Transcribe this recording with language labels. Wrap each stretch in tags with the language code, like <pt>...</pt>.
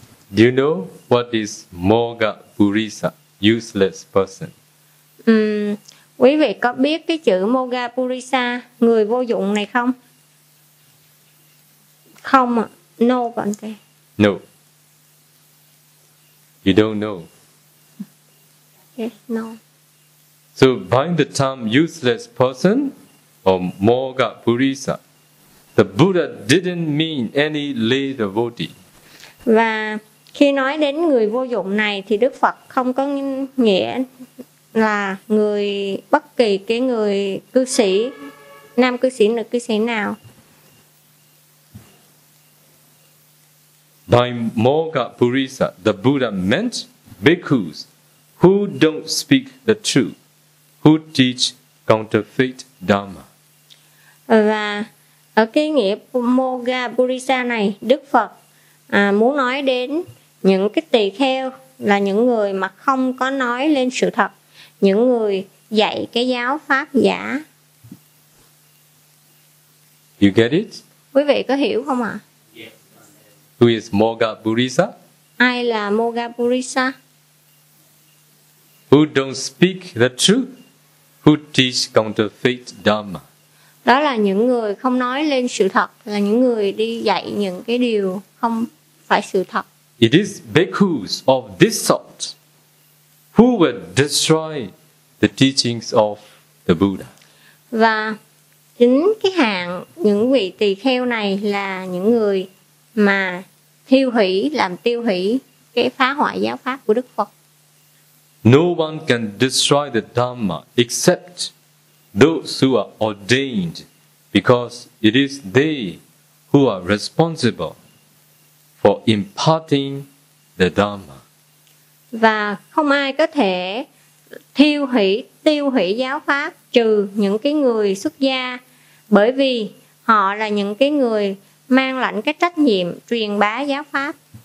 <en>Do you know what is Moga Purisa, useless person?</en> <vi>Quý vị có biết cái chữ Moga Purisa, người vô dụng này không? Không ạ.</vi> <en>No,</en> <vi>còn cái.</vi> <en>No. You don't know. Yes, no. So by the term useless person or Moga Purisa, the Buddha didn't mean any lay devotee.</en> <vi>Và khi nói đến người vô dụng này thì Đức Phật không có nghĩa là người, bất kỳ cái người cư sĩ, nam cư sĩ, nữ cư sĩ nào.</vi> <en>By Moga Purisa, the Buddha meant bhikkhus who don't speak the truth, who teach counterfeit Dharma.</en> <vi>Và ở cái nghĩa Moga Purisa này, Đức Phật muốn nói đến những cái tỳ kheo là những người mà không có nói lên sự thật, những người dạy cái giáo pháp giả.</vi> <en>You get it?</en> <vi>Quý vị có hiểu không ạ?</vi> <en>Who is Moga Purisa?</en> <vi>Ai là Moga Purisa?</vi> <en>Who don't speak the truth, who teach counterfeit Dharma.</en> <vi>Đó là những người không nói lên sự thật, là những người đi dạy những cái điều không phải sự thật.</vi> <en>It is bhikkhus of this sort who will destroy the teachings of the Buddha.</en> <vi>Và chính cái hạng những vị tỳ kheo này là những người mà thiêu hủy, làm tiêu hủy cái phá hoại giáo pháp của Đức Phật.</vi> <en>No one can destroy the Dhamma except those who are ordained, because it is they who are responsible for imparting the Dhamma.</en> <vi>Và không ai có thể tiêu hủy giáo pháp trừ những cái người xuất gia, bởi vì họ là những cái người mang lãnh cái trách nhiệm truyền bá giáo pháp.</vi>